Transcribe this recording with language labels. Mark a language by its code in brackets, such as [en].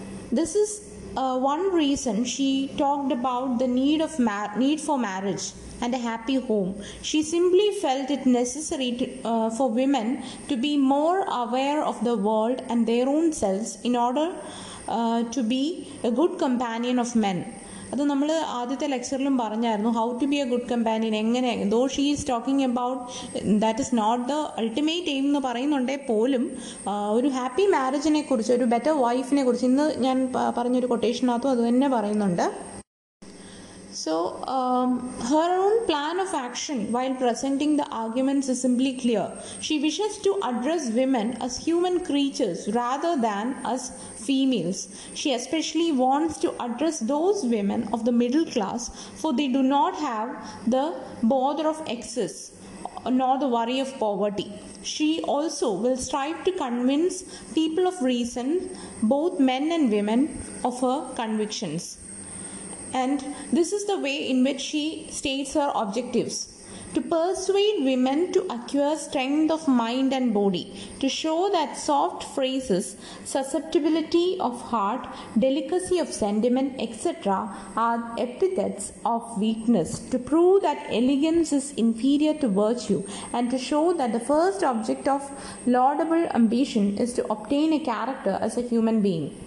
[en] This is one reason she talked about the need for marriage and a happy home. She simply felt it necessary for women to be more aware of the world and their own selves in order to be a good companion of men. [ml] അത് നമ്മൾ ആദ്യത്തെ ലെക്ചറിലും പറഞ്ഞായിരുന്നു, [en] How to be a good companion. [ml] എങ്ങനെ, [en] though she is talking about that is not the ultimate aim [ml] എന്ന് പറയുന്നുണ്ടേ പോലും, ഒരു happy മാരേജിനെ കുറിച്ച്, ഒരു ബെറ്റർ വൈഫിനെ കുറിച്ച് ഇന്ന് ഞാൻ പറഞ്ഞൊരു കൊട്ടേഷനകത്തും അത് തന്നെ പറയുന്നുണ്ട്. [en] So her own plan of action while presenting the arguments is simply clear. She wishes to address women as human creatures rather than as females. She especially wants to address those women of the middle class, for they do not have the bother of excess nor the worry of poverty. She also will strive to convince people of reason, both men and women, of her convictions. And this is the way in which she states her objectives: to persuade women to acquire strength of mind and body, to show that soft phrases, susceptibility of heart, delicacy of sentiment, etc., are epithets of weakness, to prove that elegance is inferior to virtue, and to show that the first object of laudable ambition is to obtain a character as a human being.